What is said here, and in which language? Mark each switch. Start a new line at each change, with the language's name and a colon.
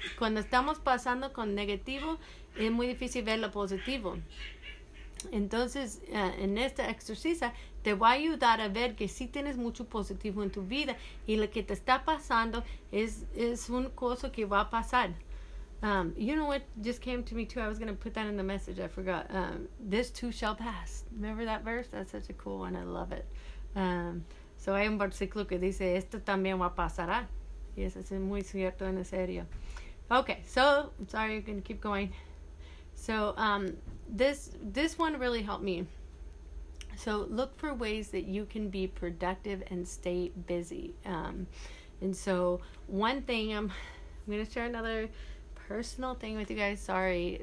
Spanish: Cuando estamos pasando con negativo, es muy difícil ver lo positivo. Entonces, en esta exercisa te va a ayudar a ver que sí tienes mucho positivo en tu vida, y lo que te está pasando es un cosa que va a pasar.
English: You know what just came to me too? I was going to put that in the message. I forgot. This too shall pass. Remember that verse? That's such a cool one. I love it.
Spanish: So hay un versículo que dice, esto también va a pasar. Y eso es muy cierto en serio.
English: Okay, so, I'm sorry, I'm going to keep going. So, this one really helped me. So look for ways that you can be productive and stay busy. And so one thing, I'm going to share another personal thing with you guys. Sorry.